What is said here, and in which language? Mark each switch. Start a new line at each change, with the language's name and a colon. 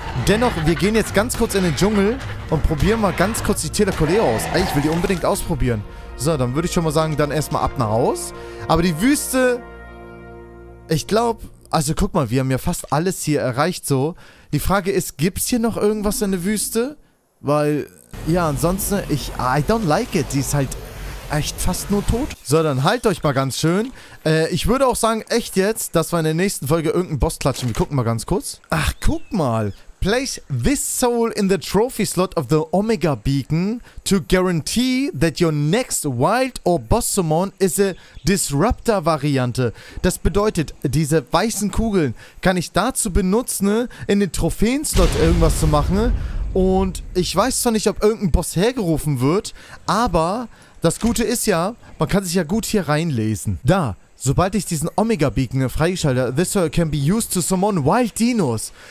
German: Dennoch, wir gehen jetzt ganz kurz in den Dschungel und probieren mal ganz kurz die Tilakoleo aus. Ich will die unbedingt ausprobieren. So, dann würde ich schon mal sagen, dann erstmal ab nach Haus. Aber die Wüste, ich glaube, also guck mal, wir haben ja fast alles hier erreicht so. Die Frage ist, gibt's hier noch irgendwas in der Wüste? Weil, ja, ansonsten,
English: I don't like it.
German: Sie ist halt echt fast nur tot. So, dann halt euch mal ganz schön. Ich würde auch sagen, echt jetzt, dass wir in der nächsten Folge irgendeinen Boss klatschen. Wir gucken mal ganz kurz. Ach, guck mal.
English: Place this soul in the trophy slot of the Omega Beacon to guarantee that your next wild or boss summon is a disruptor Variante.
German: Das bedeutet, diese weißen Kugeln kann ich dazu benutzen, in den Trophäen Slot irgendwas zu machen. Und ich weiß zwar nicht, ob irgendein Boss hergerufen wird, aber das Gute ist ja, man kann sich ja gut hier reinlesen. Da. Sobald ich diesen Omega-Beacon freischalte,
English: this soul can be used to summon wild dinos.